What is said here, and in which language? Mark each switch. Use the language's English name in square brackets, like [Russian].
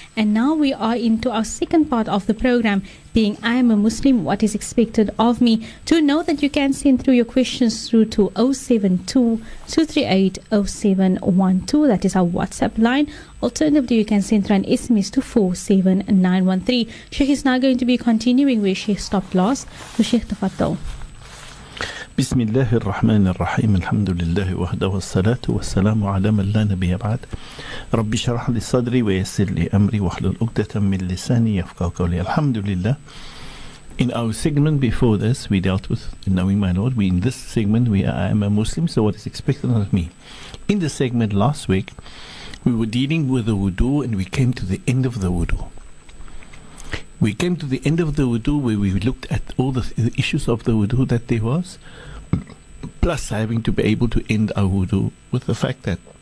[English] And now we are into our second part of the program, being I Am a Muslim, What is Expected of Me. To know that you can send through your questions through to 072-238-0712. That is our WhatsApp line. Alternatively, you can send through an SMS to 47913. Sheikh is now going to be continuing where Sheikh stopped last. To Sheikh Tafattal. [Arabic] بسم الله الرحمن الرحيم الحمد لله وحده والصلاة والسلام على من لا نبي بعد ربي شرح لي صدري ويسر لي أمري وحلل عقدة من لساني يفقه قولي الحمد لله. [English] In our segment before this, we dealt with knowing my Lord. We, in this segment, we are, I am a Muslim, so what is expected of me? In the segment last week, we were dealing with the wudu, and we came to the end of the wudu. We came to the end of the wudu, where we looked at all the issues of the wudu that there was, plus having to be able to end our wudu with the fact that